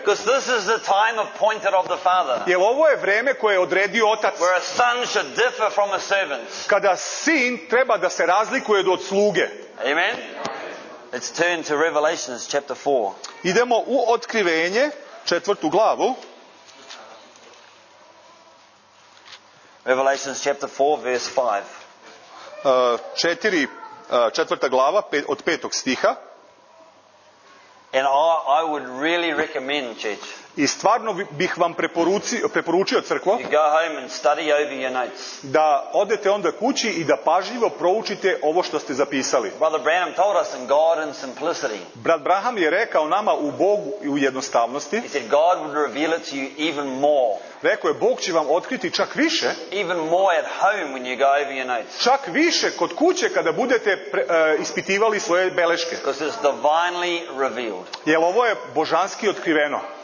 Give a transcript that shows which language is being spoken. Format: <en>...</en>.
<en>Because this is the time appointed of the Father.</en> <sr>Jer ovo je vrijeme koje je odredio Otac.</sr> <en>Where a son should differ from a servant.</en> <sr>Kada sin treba da se razlikuje od sluge.</sr> <en>Amen. Let's turn to Revelation chapter 4.</en> <sr>Idemo u Otkrivenje, četvrtu glavu.</sr> <en>Revelation chapter 4 verse 5.</en> <sr>Četvrta glava, od petog stiha.</sr> <en>And I would really recommend, church.</en> <sr>I stvarno bih vam preporučio crkvo.</sr> <en>You go home and study over your notes.</en> <sr>Da odete onda kući i da pažljivo proučite ovo što ste zapisali.</sr> <en>Brother Branham told us in God and simplicity.</en> <sr>Brat Branham je rekao nama u Bogu i u jednostavnosti.</sr> <en>He said God would reveal it to you even more.</en> <sr>Rekao je Bog će vam otkriti čak više.</sr> <en>Even more at home when you go over your notes.</en> <sr>Čak više kod kuće kada budete ispitivali svoje beleške.</sr> <en>Because it's divinely revealed.</en> <sr>Jer ovo je božanski otkriveno.</sr>